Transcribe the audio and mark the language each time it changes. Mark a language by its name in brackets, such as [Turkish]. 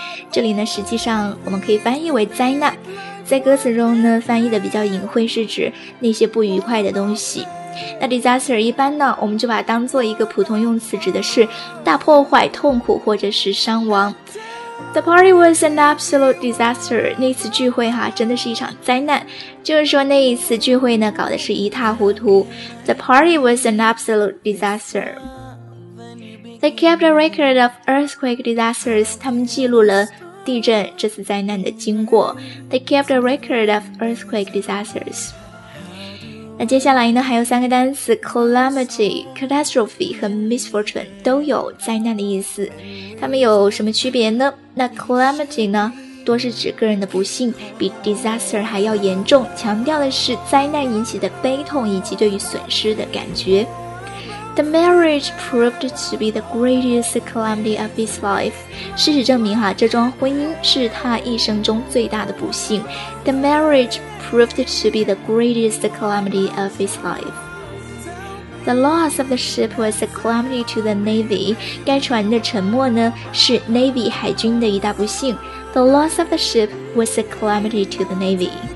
[Chinese] 这里呢，实际上我们可以翻译为灾难。在歌词中呢，翻译的比较隐晦，是指那些不愉快的东西。那 disaster 一般呢，我们就把它当做一个普通用词，指的是大破坏、痛苦或者是伤亡。 [English] The party was an absolute disaster. [Chinese] 那次聚会哈，真的是一场灾难。就是说那一次聚会呢，搞得是一塌糊涂。 [English] The party was an absolute disaster. They kept a record of earthquake disasters. [Chinese] 他们记录了地震这次灾难的经过。 [English] They kept a record of earthquake disasters. [Chinese] 那接下来呢还有三个单词 Calamity, Catastrophe 和 Misfortune 都有灾难的意思，它们有什么区别呢？那 Calamity 呢多是指个人的不幸，比 Disaster 还要严重，强调的是灾难引起的悲痛以及对于损失的感觉。 [English] The marriage proved to be the greatest calamity of his life. [Chinese] 事实证明哈，这桩婚姻是他一生中最大的不幸。 [English] The marriageproved to be the greatest calamity of his life. The loss of the ship was a calamity to the Navy. [Chinese] 该船的沉没呢是 Navy 海军的一大不幸。 [English] The loss of the ship was a calamity to the Navy.